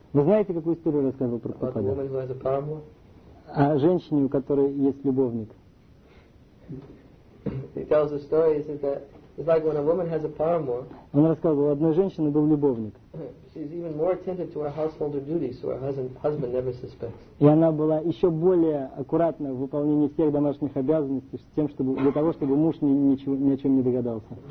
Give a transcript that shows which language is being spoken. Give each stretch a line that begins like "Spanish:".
Russian: Вы знаете, какую историю рассказывал Прабхупада? О женщине, у которой есть любовник.
English: He tells the story. Is it that it's like when a woman has a paramour?
Russian: Он рассказывал, у одной женщины был любовник.
English: She's even more attentive to her householder duties, so her husband never suspects.
Russian: И она была еще более аккуратна в выполнении всех домашних обязанностей, тем, чтобы для того, чтобы муж ни о чем не догадался.